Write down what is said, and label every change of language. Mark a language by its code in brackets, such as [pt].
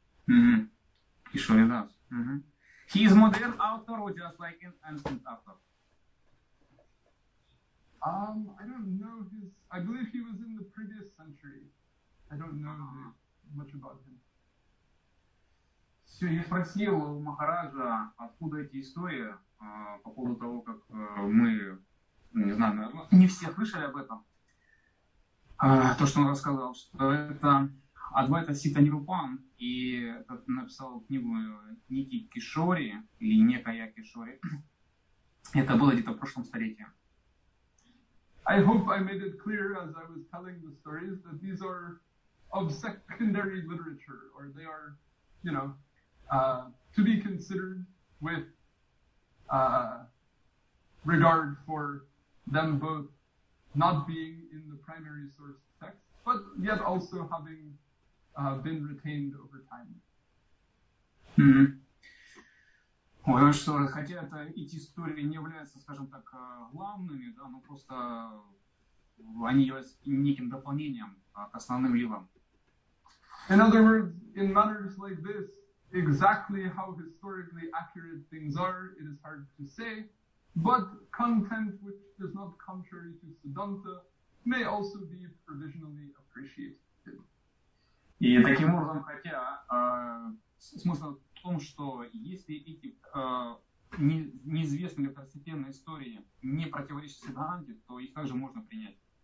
[en] Mm-hmm. Kishori Das. Mm-hmm. He is modern author or just like an ancient author? I don't know his. I believe he was in the previous century. I don't know much about him. [ru] Все, я спросил у Махараджа, откуда эти истории по поводу того, как мы, не знаю, не все слышали об этом. То, что он рассказал, что это Адвайта Сита Нирупан, и написал книгу Ники Кишори, или некая Кишори. Это было где-то в прошлом столетии. [en] I hope I made it clear as I was telling the stories that these are of secondary literature, or they are, you know, to be considered with regard for them both not being in the primary source text, but yet also having been retained over time. Mm-hmm. [ru] Ой, что, хотя это, эти истории не являются, скажем так, главными, да, но просто они являются неким дополнением к основным ливам. [en] In other words, in matters like this, exactly how historically accurate things are, it is hard to say, but content which is not contrary to Siddhanta may also be provisionally appreciated. [ru] И таким образом, хотя смысл в том, что если эти неизвестные второстепенные истории не противоречат Сиддханте, то их также можно принять.